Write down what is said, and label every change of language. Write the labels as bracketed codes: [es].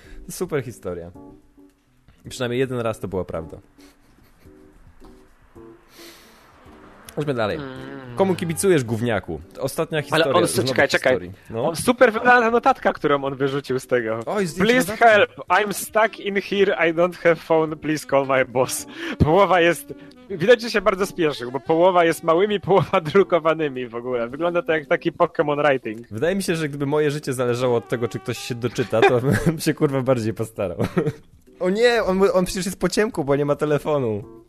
[pl] Super historia. Przynajmniej jeden raz to była prawda. Chodźmy dalej. Komu kibicujesz, gówniaku? Ostatnia historia. Ale on, czekaj. No. On super wygląda notatka, którą on wyrzucił z tego. Oj, [en] please [pl] notatka. [en] Help, I'm stuck in here, I don't have phone, please call my boss. [pl] Połowa jest... Widać, że się bardzo spieszył, bo połowa jest małymi, połowa drukowanymi w ogóle. Wygląda to jak taki [en] Pokémon writing. [pl] Wydaje mi się, że gdyby moje życie zależało od tego, czy ktoś się doczyta, to bym się kurwa bardziej postarał. O nie, on przecież jest po ciemku, bo nie ma telefonu.